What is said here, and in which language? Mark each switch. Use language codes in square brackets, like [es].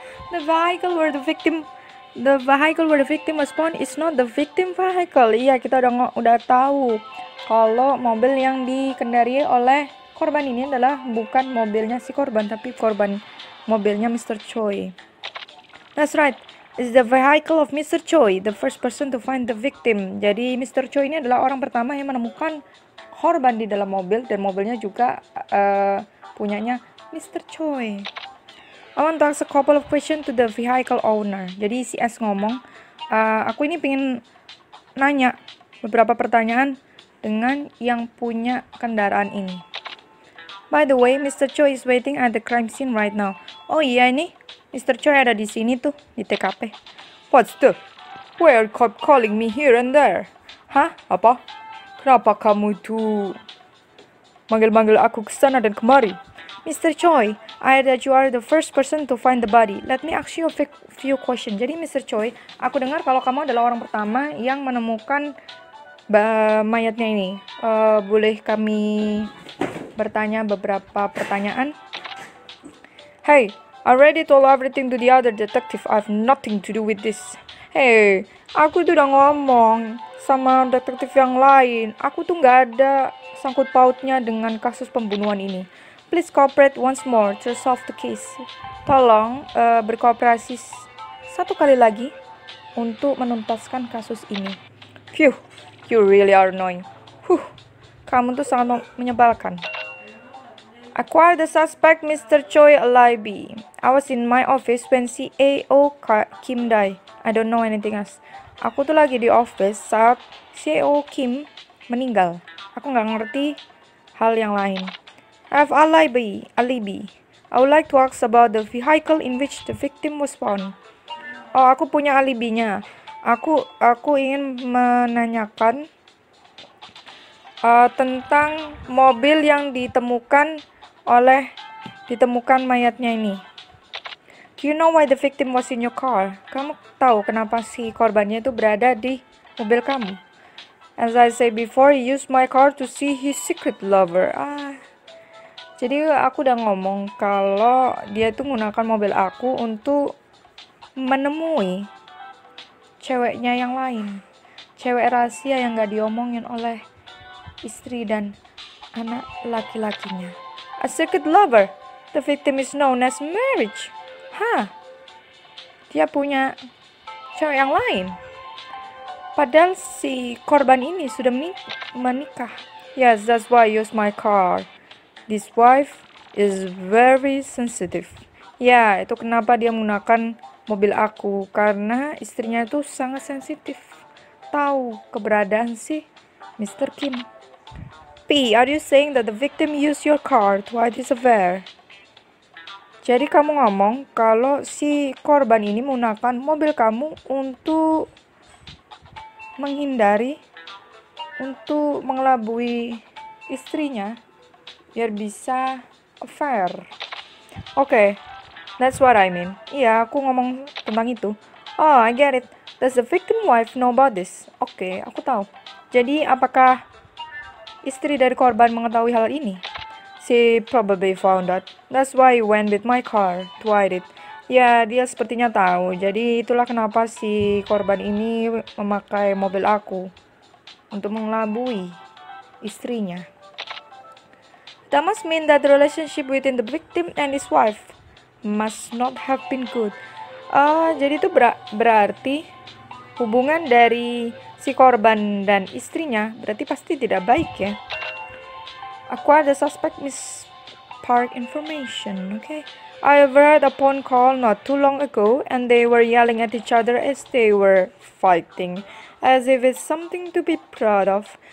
[en] The vehicle where the victim was spawn is not the victim vehicle. [id] Iya, kita udah tahu kalau mobil yang dikendari oleh korban ini adalah bukan mobilnya si korban, tapi korban mobilnya Mr. [en] Choi. That's right. It's the vehicle of Mr. Choi, the first person to find the victim. [id] Jadi [en] Mr. [id] Choi ini adalah orang pertama yang menemukan korban di dalam mobil, dan mobilnya juga punyanya Mr. Choi. [en] I want to ask a couple of questions to the vehicle owner. [id] Jadi si S ngomong, aku ini pengen nanya beberapa pertanyaan dengan yang punya kendaraan ini. [en] By the way, Mr. Choi is waiting at the crime scene right now. [id] Oh iya nih, [en] Mr. Choi [id] ada di sini tuh, di TKP. [en] What's the? Why are cop calling me here and there? [id] Hah? Apa? Kenapa kamu tuh manggil-manggil aku kesana dan kemari? [en] Mr. Choi, I heard that you are the first person to find the body. Let me ask you a few questions. [id] Jadi [en] Mr. [id] Choi, aku dengar kalau kamu adalah orang pertama yang menemukan mayatnya ini. Boleh kami bertanya beberapa pertanyaan? [en] Hey, I already told everything to the other detective. I have nothing to do with this. [id] Hey, aku tuh udah ngomong sama detektif yang lain. Aku tuh gak ada sangkut pautnya dengan kasus pembunuhan ini. [en] Please cooperate once more to solve the case. [id] Tolong berkooperasi satu kali lagi untuk menuntaskan kasus ini. [en] Phew, you really are annoying. [id] Huh, kamu tuh sangat menyebalkan. [en] Acquire the suspect, Mr. Choi Alibi. I was in my office when CAO Kim died. I don't know anything else. [id] Aku tuh lagi di office saat CEO Kim meninggal. Aku gak ngerti hal yang lain. [en] I have alibi. I would like to ask about the vehicle in which the victim was found. [id] Oh, aku punya alibinya. Aku ingin menanyakan tentang mobil yang ditemukan mayatnya ini. [en] Do you know why the victim was in your car? [id] Kamu tahu kenapa si korbannya itu berada di mobil kamu? [en] As I say before, he used my car to see his secret lover. [id] Jadi aku udah ngomong kalau dia itu menggunakan mobil aku untuk menemui ceweknya yang lain. Cewek rahasia yang gak diomongin oleh istri dan anak laki-lakinya. [en] A secret lover. The victim is known as marriage. Hah? [id] Dia punya cewek yang lain. Padahal si korban ini sudah menikah. [en] Yes, that's why I use my car. This wife is very sensitive. [id] Ya, itu kenapa dia menggunakan mobil aku. Karena istrinya itu sangat sensitif. Tahu keberadaan si Mr. Kim. [en] P, are you saying that the victim used your car to hide his affair? [id] Jadi kamu ngomong kalau si korban ini menggunakan mobil kamu untuk menghindari, untuk mengelabui istrinya biar bisa affair. [en] Okay, that's what I mean. [id] Iya, aku ngomong tentang itu. [en] Oh, I get it. Does the victim wife know about this? [id] Okay, aku tahu. Jadi apakah istri dari korban mengetahui hal ini? [en] She probably found out. That's why he went with my car to hide it. [id] Ya, dia sepertinya tahu. Jadi itulah kenapa si korban ini memakai mobil aku untuk mengelabui istrinya. [en] That must mean that the relationship between the victim and his wife must not have been good. [id] Jadi itu berarti hubungan dari si korban dan istrinya berarti pasti tidak baik ya. [en] Acquire the suspect Miss Park information, okay? I overheard a phone call not too long ago and they were yelling at each other as they were fighting, as if it's something to be proud of.